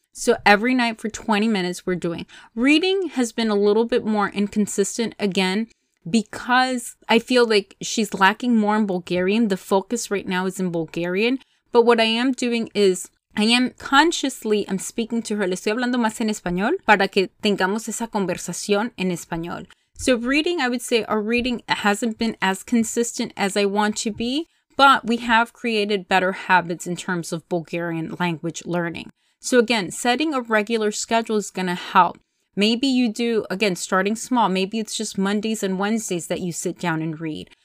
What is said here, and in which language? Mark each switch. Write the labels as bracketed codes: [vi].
[en] So every night for 20 minutes we're doing. Reading has been a little bit more inconsistent again because I feel like she's lacking more in Bulgarian. The focus right now is in Bulgarian. But what I am doing is I'm speaking to her. [es] Le estoy hablando más en español para que tengamos esa conversación en español. [en] So reading, I would say our reading hasn't been as consistent as I want to be, but we have created better habits in terms of Bulgarian language learning. So again, setting a regular schedule is going to help. Maybe you do, again, starting small. Maybe it's just Mondays and Wednesdays that you sit down and read.